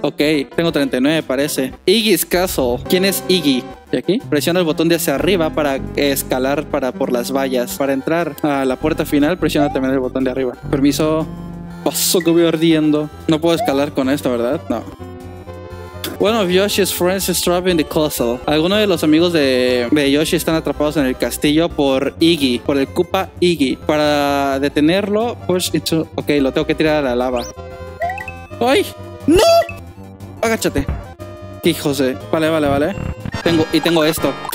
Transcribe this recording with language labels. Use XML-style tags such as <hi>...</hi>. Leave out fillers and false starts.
<es>Ok, tengo 39, parece. Iggy's Castle. ¿Quién es Iggy? ¿Y aquí? Presiona el botón de hacia arriba para escalar para por las vallas. Para entrar a la puerta final, presiona también el botón de arriba. Permiso. Paso que voy ardiendo. No puedo escalar con esto, ¿verdad? No.</es> <en>One of Yoshi's friends is trapped in the castle.</en> <es>Algunos de los amigos de Yoshi están atrapados en el castillo por Iggy, por el Koopa Iggy. Para detenerlo,</es> <en>push into...</en> <es>Ok, lo tengo que tirar a la lava. ¡Ay! ¡No! Agáchate. ¿Qué hijos de...? Vale, vale, vale. Tengo esto.</es>